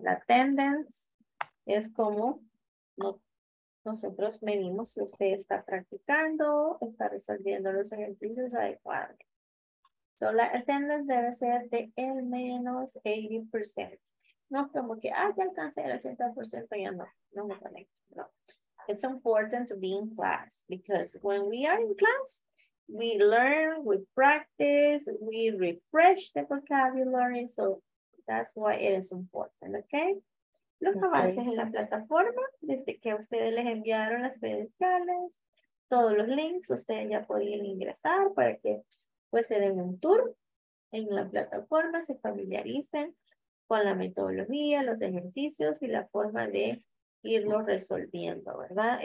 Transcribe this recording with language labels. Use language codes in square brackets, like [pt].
[es] La attendance es como nosotros medimos si usted está practicando, está resolviendo los ejercicios adecuados. So, la attendance debe ser de el menos 80%. No es como que, ah, ya alcancé el 80%, ya no, no me conecto. No. [en] It's important to be in class because when we are in class, we learn, we practice, we refresh the vocabulary. So that's why it is important, okay? [es] Los avances en la plataforma, desde que ustedes les enviaron las credenciales, todos los links, ustedes ya podían ingresar para que pues se den un tour en la plataforma, se familiaricen con la metodología, los ejercicios y la forma de irlo resolviendo, ¿verdad?